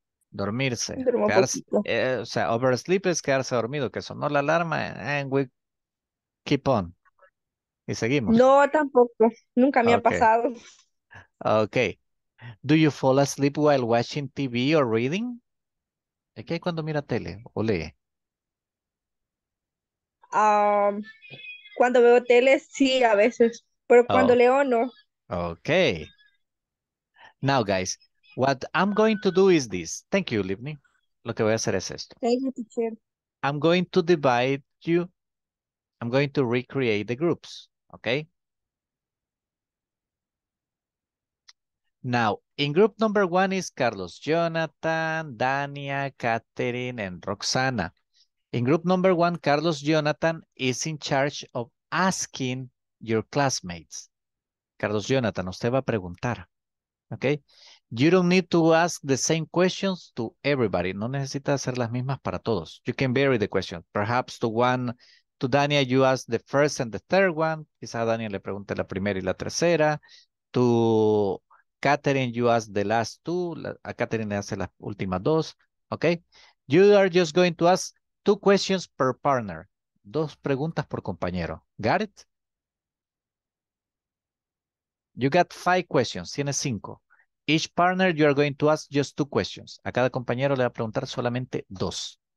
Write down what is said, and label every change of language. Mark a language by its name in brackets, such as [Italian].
[Spanish] Dormirse. Duermo quedarse, o sea, oversleep es quedarse dormido, que sonó la alarma, [English] and we keep on. [Spanish] Y seguimos. No, tampoco. Nunca me ha pasado. [English] Okay. Do you fall asleep while watching TV or reading? [Spanish] ¿Es que hay cuando mira tele o lee? Cuando veo tele, sí, a veces. Pero cuando leo, no. [English] Okay. Now, guys, what I'm going to do is this. Thank you, [Spanish] Livni. Lo que voy a hacer es esto. [English] Thank you, teacher. I'm going to divide you. I'm going to recreate the groups. Okay? Now, in group number one is Carlos, Jonathan, Dania, Catherine, and Roxana. In group number one, Carlos Jonathan is in charge of asking your classmates. [Spanish] Carlos Jonathan, usted va a preguntar. Okay? [English] You don't need to ask the same questions to everybody. [Spanish] No necesita hacer las mismas para todos. [English] You can vary the question. Perhaps to one, to Dania, you ask the first and the third one. [Spanish] Quizá Dania le pregunte la primera y la tercera. [English] To Catherine, you ask the last two. [Spanish] A Catherine le hace las últimas dos. Okay? [English] You are just going to ask two questions per partner. [Spanish] Dos preguntas por compañero. [English] Got it? You got five questions. [Spanish] Tienes cinco. [English] Each partner, you are going to ask just two questions. [Spanish] A cada compañero le va a preguntar solamente dos.